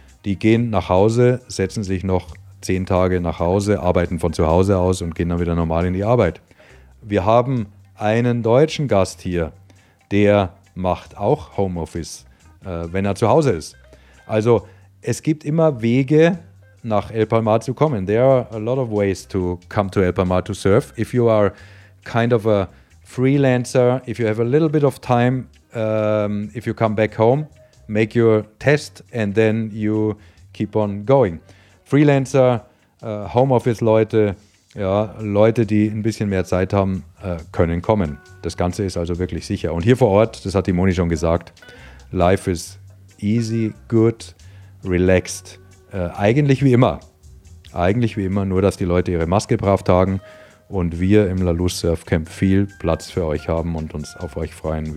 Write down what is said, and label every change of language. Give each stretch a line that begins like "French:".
German: Die gehen nach Hause, setzen sich noch 10 Tage nach Hause, arbeiten von zu Hause aus und gehen dann wieder normal in die Arbeit. Wir haben einen deutschen Gast hier, der macht auch Homeoffice, wenn er zu Hause ist. Also es gibt immer Wege, nach El Palmar zu kommen.
English: There are a lot of ways to come to El Palmar to surf. If you are kind of a freelancer, if you have a little bit of time, if you come back home, make your test and then you keep on going.
German: Freelancer, Homeoffice-Leute, ja, Leute, die ein bisschen mehr Zeit haben, können kommen. Das Ganze ist also wirklich sicher. Und hier vor Ort, das hat die Moni schon gesagt,
English: life is easy, good, relaxed.
German: Eigentlich wie immer. Eigentlich wie immer, nur dass die Leute ihre Maske brav tragen und wir im Laloo Surf Camp viel Platz für euch haben und uns auf euch freuen.